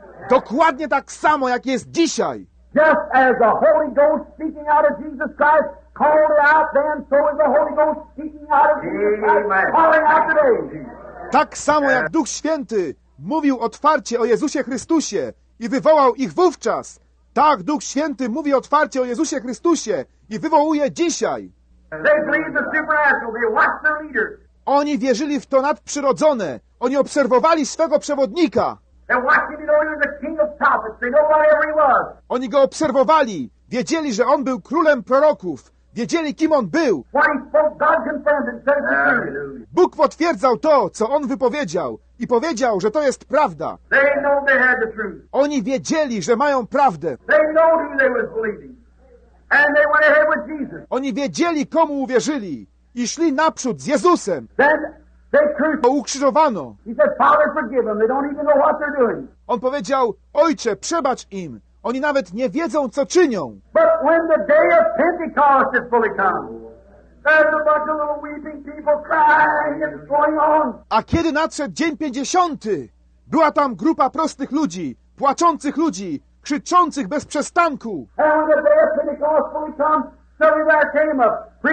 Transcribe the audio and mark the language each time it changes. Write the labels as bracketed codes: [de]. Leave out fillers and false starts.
[pl] Dokładnie tak samo, jak jest dzisiaj. [en] Just as the Holy Ghost speaking out of Jesus Christ called out then, so is the Holy Ghost speaking out of Jesus Christ calling out today. [pl] Tak samo jak Duch Święty mówił otwarcie o Jezusie Chrystusie i wywołał ich wówczas, tak Duch Święty mówi otwarcie o Jezusie Chrystusie i wywołuje dzisiaj. [en] They believe the supernatural. They watch their leader. [pl] Oni wierzyli w to nadprzyrodzone. Oni obserwowali swego przewodnika. [en] They watched him, you know, he was the king of prophets. They know whatever he was. [pl] Oni go obserwowali. Wiedzieli, że on był królem proroków. Wiedzieli, kim on był. [en] Why he spoke, God confirmed and said it's true. [pl] Bóg potwierdzał to, co on wypowiedział. I powiedział, że to jest prawda. [en] They know they had the truth. [pl] Oni wiedzieli, że mają prawdę. [en] They know who they were believing. And they went ahead with Jesus. [pl] Oni wiedzieli, komu uwierzyli. I szli naprzód z Jezusem. [en] Then [pl] go ukrzyżowano. [en] He said, "Father, forgive them. They don't even know what they're doing." [pl] On powiedział, ojcze, przebacz im. Oni nawet nie wiedzą, co czynią. [en] But when the day of Pentecost is fully come, there's a bunch of little weeping people crying. It's going on. [pl] A kiedy nadszedł dzień pięćdziesiąty, była tam grupa prostych ludzi, płaczących ludzi, krzyczących bez przestanku. [en] And when the day of Pentecost fully come, suddenly there came up.